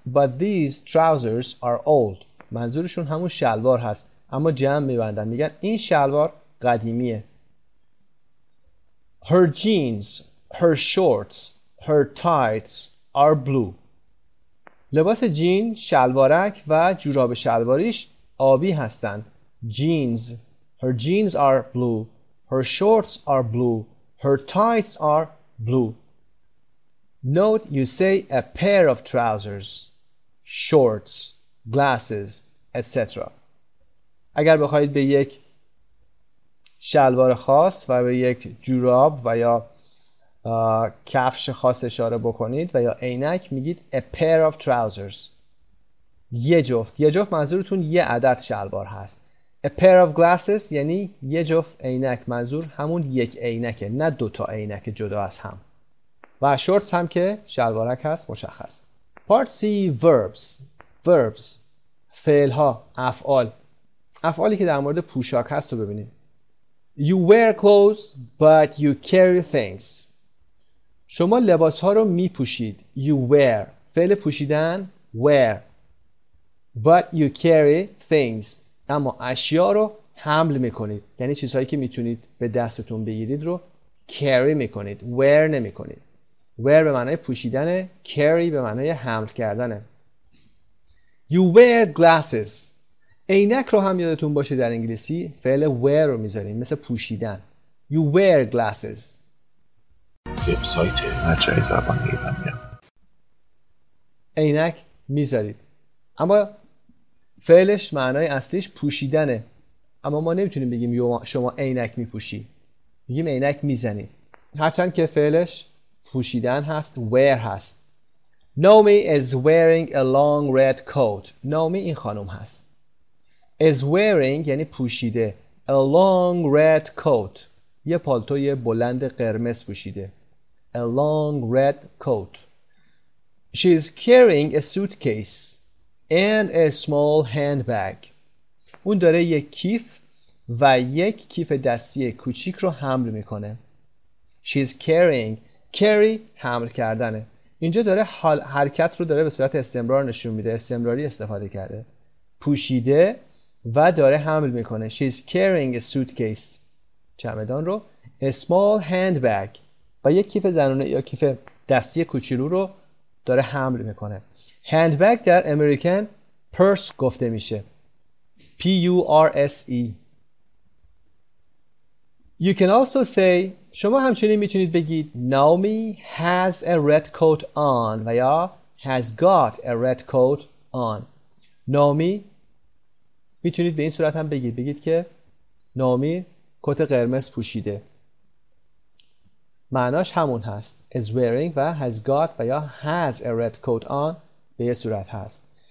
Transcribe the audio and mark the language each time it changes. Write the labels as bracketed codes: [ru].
[en] but these trousers are old، [fa] منظورشون همون شلوار هست اما جمع میبندن، میگن این شلوار قدیمیه. [en] her jeans، her shorts، her tights are blue، [fa] لباس جین، شلوارک و جوراب شلواریش آبی هستند. [en] jeans، her jeans are blue، her shorts are blue، her tights are blue. Note you say a pair of trousers، shorts، glasses، etc. [fa] اگر بخواید به یک شلوار خاص و به یک جوراب و یا کفش خاص اشاره بکنید و یا عینک، میگید [en] a pair of trousers، [fa] یه جفت. یه جفت منظورتون یه عدد شلوار هست. [en] a pair of glasses [fa] یعنی یه جفت عینک، منظور همون یک عینکه، نه دوتا عینک جدا از هم. و شورتس هم که شلوارک هست مشخص. Part C، verbs، verbs فعل ها، افعال، افعالی که در مورد پوشاک هست رو ببینیم. [en] you wear clothes but you carry things، [fa] شما لباس ها رو می پوشید. you wear فعل پوشیدن، wear، [en] but you carry things [fa] اما اشیا رو حمل می کنید، یعنی چیزهایی که می تونید به دستتون بگیرید رو carry می کنید، wear نمی کنید. wear به معنای پوشیدنه، carry به معنای حمل کردنه. [en] you wear glasses، [fa] عینک رو هم یادتون باشه در انگلیسی فعل wear رو میذاریم مثل پوشیدن. [en] you wear glasses. [fa] وبسایت مرجع زبان ایرانی عینک میذارید، اما فعلش معنای اصلیش پوشیدنه، اما ما نمیتونیم بگیم شما عینک میپوشی، بگیم عینک میزنی، هرچند که فعلش پوشیدن هست، wear هست. [en] Naomi is wearing a long red coat، [fa] نومی این خانم هست. is wearing یعنی پوشیده. [en] a long red coat [fa] یه پالتوی بلند قرمز پوشیده. [en] a long red coat. she is carrying a suitcase and a small handbag، [fa] اون داره یک کیف و یک کیف دستی کوچیک رو حمل میکنه. [en] she is carrying، [fa] carry حمل کردنه، اینجا داره حرکت رو داره به صورت استمرار نشون میده، استمراری استفاده کرده، پوشیده و داره حمل میکنه. [en] she is carrying a suitcase، [fa] چمدان رو. [en] a small handbag، [fa] و یک کیف زنونه یا کیف دستی کوچولو رو داره حمل میکنه. handbag در امریکن پرس گفته میشه، P-U-R-S-E. [en] you can also say، [fa] شما همچنین میتونید بگید [en] Naomi has a red coat on و یا has got a red coat on. [fa] Naomi میتونید به این صورت هم بگید، بگید که Naomi کت قرمز پوشیده، معناش همون هست، is wearing و has got و یا [en] has a red coat on [fa] به یه صورت هست.